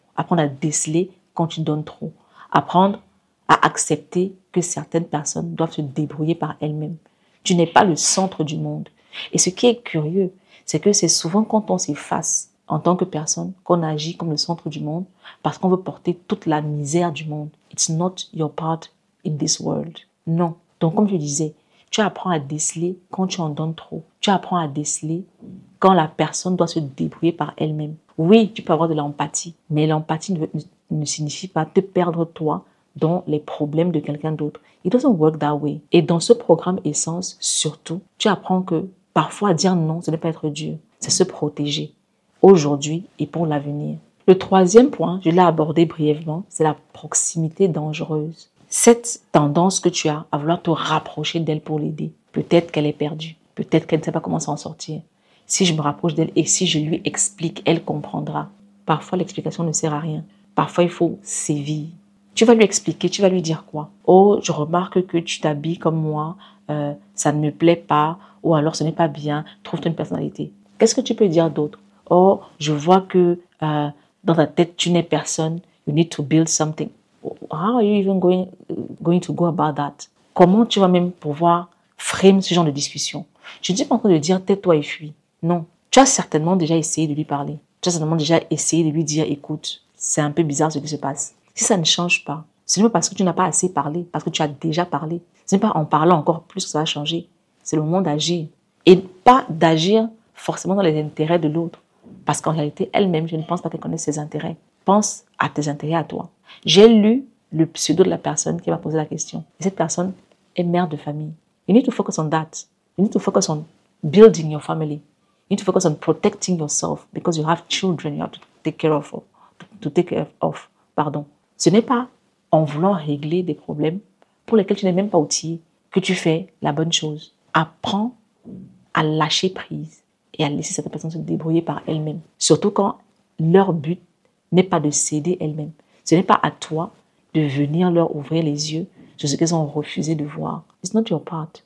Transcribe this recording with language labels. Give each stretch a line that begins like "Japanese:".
French: Apprendre à déceler quand tu donnes trop. Apprendre à accepter que certaines personnes doivent se débrouiller par elles-mêmes. Tu n'es pas le centre du monde. Et ce qui est curieux, c'est que c'est souvent quand on s'efface en tant que personne, qu'on agit comme le centre du monde parce qu'on veut porter toute la misère du monde.
English: It's not your part in this world.
French: Non. Donc, comme je disais, tu apprends à déceler quand tu en donnes trop. Tu apprends à déceler quand la personne doit se débrouiller par elle-même. Oui, tu peux avoir de l'empathie, mais l'empathie ne signifie pas te perdre toi dans les problèmes de quelqu'un d'autre.
English: It doesn't work that way.
French: Et dans ce programme Essence, surtout, tu apprends que parfois dire non, ce n'est pas être dur, c'est se protéger. Aujourd'hui et pour l'avenir. Le troisième point, je l'ai abordé brièvement, c'est la proximité dangereuse. Cette tendance que tu as à vouloir te rapprocher d'elle pour l'aider. Peut-être qu'elle est perdue, peut-être qu'elle ne sait pas comment s'en sortir. Si je me rapproche d'elle et si je lui explique, elle comprendra. Parfois, l'explication ne sert à rien. Parfois, il faut sévir. Tu vas lui expliquer, tu vas lui dire quoi? Oh, je remarque que tu t'habilles comme moi, ça ne me plaît pas, ou alors ce n'est pas bien, trouve-toi une personnalité. Qu'est-ce que tu peux dire d'autre? Oh, je vois que dans ta tête, tu n'es personne.
English: You need to build something. How are you even going to go about that?
French: Comment tu vas même pouvoir frame ce genre de discussion? Je ne suis pas en train de dire tais-toi et fuis. Non. Tu as certainement déjà essayé de lui parler. Tu as certainement déjà essayé de lui dire écoute, c'est un peu bizarre ce qui se passe. Si ça ne change pas, ce n'est pas parce que tu n'as pas assez parlé, parce que tu as déjà parlé. Ce n'est pas en parlant encore plus que ça va changer. C'est le moment d'agir. Et pas d'agir forcément dans les intérêts de l'autre. Parce qu'en réalité, elle-même, je ne pense pas qu'elle connaisse ses intérêts. Pense à tes intérêts à toi. J'ai lu le pseudo de la personne qui m'a posé la question. Et cette personne est mère de famille.
English: You need to focus on that. You need to focus on building your family. You need to focus on protecting yourself because you have children you have to take care of.
French: Ce n'est pas en voulant régler des problèmes pour lesquels tu n'es même pas outillé que tu fais la bonne chose. Apprends à lâcher prise. Et à laisser cette personne se débrouiller par elle-même. Surtout quand leur but n'est pas de céder elle-même. Ce n'est pas à toi de venir leur ouvrir les yeux sur ce qu'elles ont refusé de voir.
English: It's not your part.